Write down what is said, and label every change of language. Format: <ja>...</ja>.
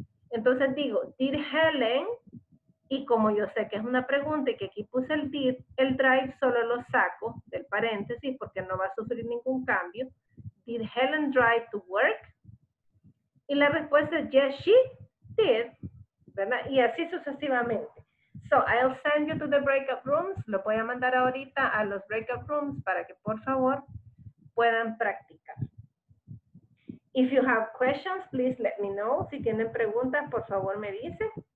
<es>Entonces digo, did Helen, y como yo sé que es una pregunta y que aquí puse el did, el drive solo lo saco del paréntesis porque no va a sufrir ningún cambio.</es> <en>Did Helen drive to work?</en> <es>Y la respuesta es,</es> <en>yes, she did,</en> <es>¿verdad? Y así sucesivamente.</es> <en>So, I'll send you to the breakout rooms.</en> <es>Lo voy a mandar ahorita a los breakout rooms para que, por favor, puedan practicar.</es> <en>If you have questions, please let me know.</en> <es>Si tienen preguntas, por favor, me dicen.</es>